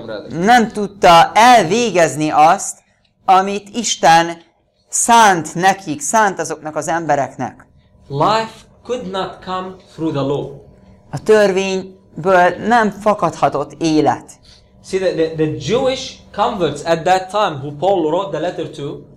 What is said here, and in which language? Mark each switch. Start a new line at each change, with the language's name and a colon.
Hungarian: Nem tudta elvégezni azt, amit Isten szánt nekik, szánt azoknak az embereknek.
English: Life could not come through the law.
Hungarian: A törvényből nem fakadhatott élet.
English: See the Jewish converts at that time who Paul wrote the letter to.